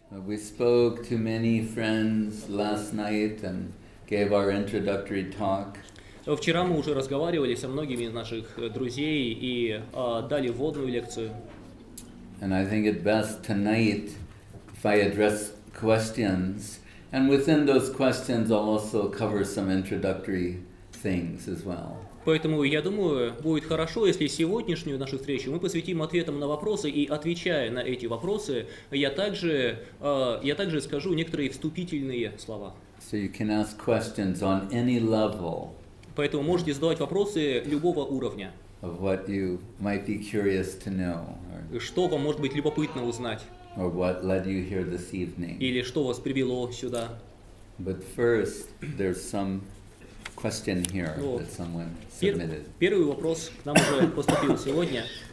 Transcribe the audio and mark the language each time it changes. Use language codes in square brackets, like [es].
[en] We spoke to many friends last night and gave our introductory talk. [ru] Вчера мы уже разговаривали со многими из наших друзей и дали вводную лекцию. [en] And I think it best tonight if I address questions, and within those questions I'll also cover some introductory things as well. [ru] Поэтому я думаю, будет хорошо, если сегодняшнюю нашу встречу мы посвятим ответам на вопросы, и отвечая на эти вопросы, я также скажу некоторые вступительные слова. [en] So you can ask questions on any level. [ru] Поэтому можете задавать вопросы любого уровня. [en] Of what you might be curious to know. [ru] Что вам может быть любопытно узнать? [en] Or what led you here this evening? [ru] Или что вас привело сюда? [en] But first, there's some question here that someone submitted. [ru] Первый вопрос к нам уже поступил сегодня.